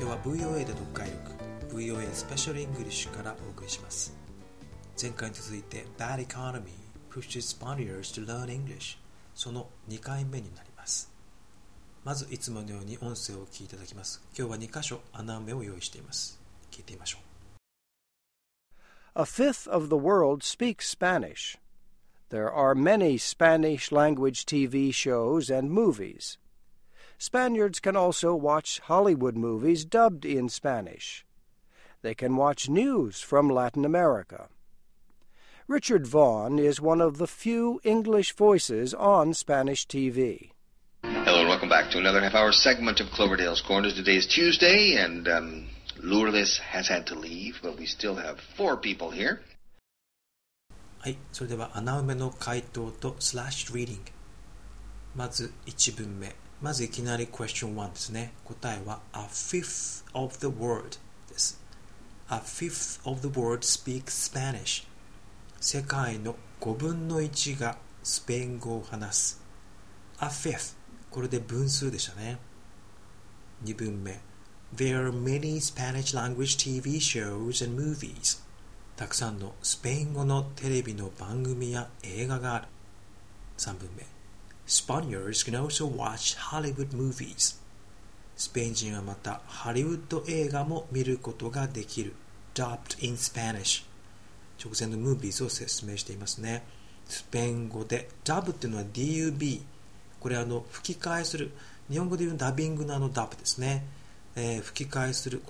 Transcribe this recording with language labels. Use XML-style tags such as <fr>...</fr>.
<ja>ペシャルイングリッシュからお送りします。前回に続いて</ja> <en>Bad Economy Pushes Spaniards to Learn English</en> <ja>その2回目になります。まずいつものように音声を聞いていただきます。今日は2箇所穴埋めを用意しています。聞いてみましょう。</ja> <en>A fifth of the world speaks Spanish. There are many Spanish language TV shows and moviesSpaniards can also watch Hollywood movies dubbed in Spanish. They can watch news from Latin America. Richard Vaughn is one of the few English voices on Spanish TV. Hello and welcome back to another half-hour segment of Cloverdale's Corners. Today is Tuesday and Lourdes has had to leave, but we still have four people here.</en> <ja>はい、それでは穴埋めの回答とスラッシュリーディング。まず一文目。まずいきなり question 1ですね。答えは</ja> <en>A fifth of the world</en> <ja>です。</ja> <en>A fifth of the world speaks Spanish.</en> <ja>世界の5分の1がスペイン語を話す。 A fifth。 これで分数でしたね。2文目。</ja> <en>There are many Spanish language TV shows and movies.</en> <ja>たくさんのスペイン語のテレビの番組や映画がある。 3文目。</ja> <en>Spaniards can also watch Hollywood movies.</en> <ja>スペイン人はまたハリウッド映画も見ることができる。</ja> <en>Dubbed in Spanish.</en> <ja>直前のムービーズを説明していますね。スペイン語で Dub っていうのは DUB。これ吹き替えする。日本語で言うダビングのDub ですね、吹き替えする。</ja>